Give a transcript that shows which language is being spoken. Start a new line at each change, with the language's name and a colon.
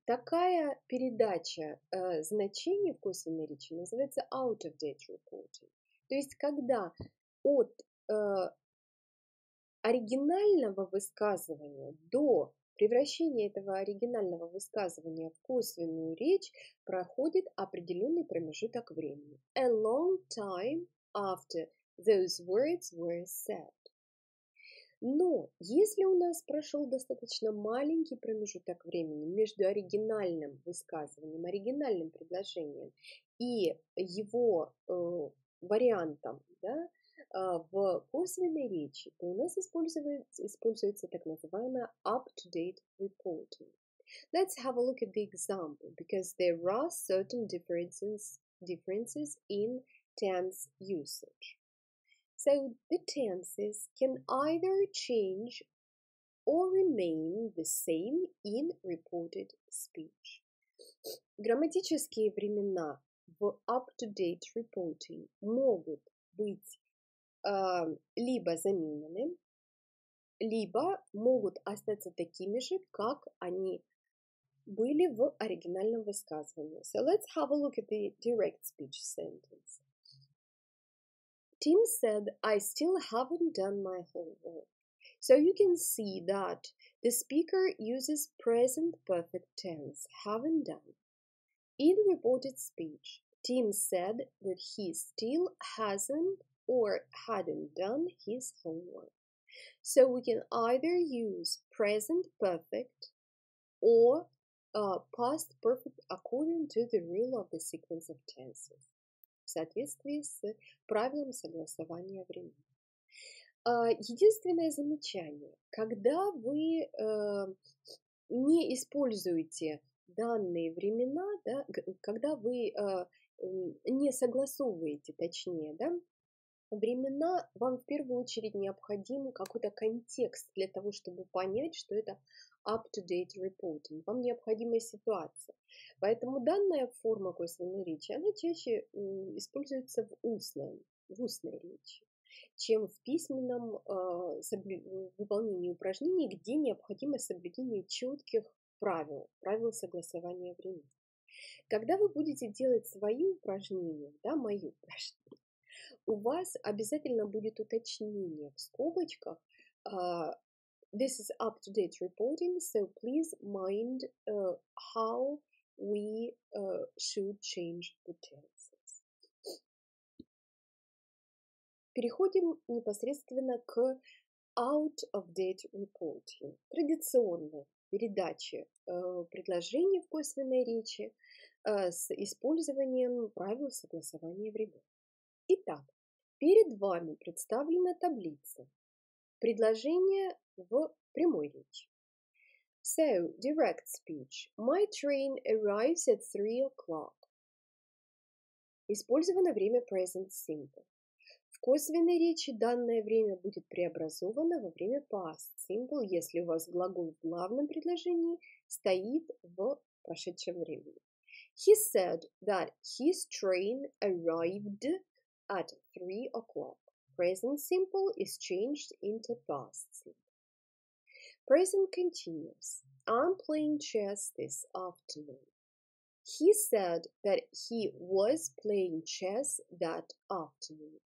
Russian: Такая передача значения в косвенной речи называется
English: out-of-date reporting.
Russian: То есть, когда от оригинального высказывания до превращения этого оригинального высказывания в косвенную речь проходит определенный промежуток времени.
English: A long time after those words were said.
Russian: Но если у нас прошел достаточно маленький промежуток времени между оригинальным высказыванием, оригинальным предложением и его вариантом, да, в косвенной речи, то у нас используется так называемая
English: up-to-date reporting. Let's have a look at the example, because there are certain differences in tense usage. So the tenses can either change or remain the same in reported speech.
Russian: Грамматические времена в
English: up-to-date reporting
Russian: могут быть либо заменены, либо могут остаться такими же, как они были в оригинальном высказывании.
English: So let's have a look at the direct speech sentence. Tim said, I still haven't done my homework. So you can see that the speaker uses present perfect tense, haven't done. In reported speech, Tim said that he still hasn't or hadn't done his homework. So we can either use present perfect or past perfect according to the rule of the sequence of tenses.
Russian: В соответствии с правилом согласования времени. Единственное замечание. Когда вы не используете данные времена, да, когда вы не согласовываете, точнее, да, времена, вам в первую очередь необходим какой-то контекст для того, чтобы понять, что это
English: up-to-date reporting.
Russian: Вам необходима ситуация. Поэтому данная форма косвенной речи, она чаще используется в устной речи, чем в письменном выполнении упражнений, где необходимо соблюдение четких правил согласования времени. Когда вы будете делать свои упражнения, да, мои упражнения, у вас обязательно будет уточнение в скобочках.
English: This is up-to-date reporting, so please mind how we should change the tenses.
Russian: Переходим непосредственно к
English: out-of-date reporting.
Russian: Традиционная передача предложений в косвенной речи с использованием правил согласования времени. Итак, перед вами представлена таблица предложения в прямой речи.
English: So, direct speech. My train arrives at 3 o'clock.
Russian: Использовано время
English: present simple.
Russian: В косвенной речи данное время будет преобразовано во время
English: past simple,
Russian: если у вас глагол в главном предложении стоит в прошедшем времени.
English: He said that his train arrived at 3 o'clock. Present simple is changed into past simple. Present continuous. I'm playing chess this afternoon. He said that he was playing chess that afternoon.